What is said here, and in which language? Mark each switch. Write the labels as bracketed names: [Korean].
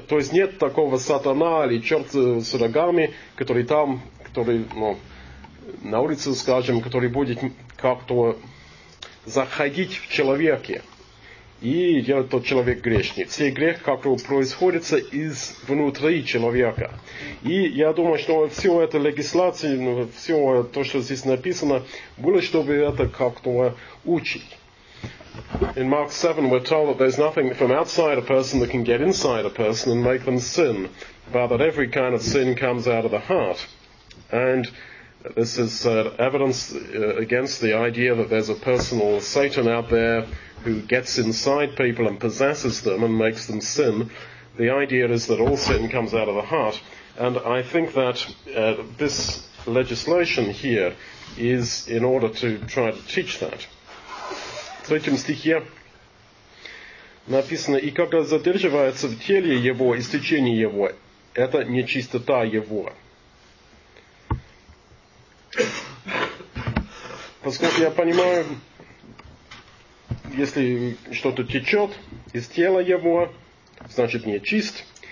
[Russian] То есть нет такого сатана или черта с рогами, который там, который, ну, на улице, скажем, который будет как-то заходить в человека И делает тот человек грешник. Все грех, как он происходит из внутри человека. И я думаю, что все это легислации, все то, что здесь написано, было, чтобы это как-то учить. [English] In Mark 7, we're told that there's nothing from outside a person that can get inside a person and make them sin, but that every kind of sin comes out of the heart. And this is evidence against the idea that there's a personal Satan out there who gets inside people and possesses them and makes them sin. The idea is that all sin comes out of the heart. And I think that this legislation here is in order to try to teach that. [Russian] В третьем стихе написано, «И когда задерживается в теле его истечение его, это нечистота его». Поскольку я понимаю, если что-то течет из тела его, значит не чист.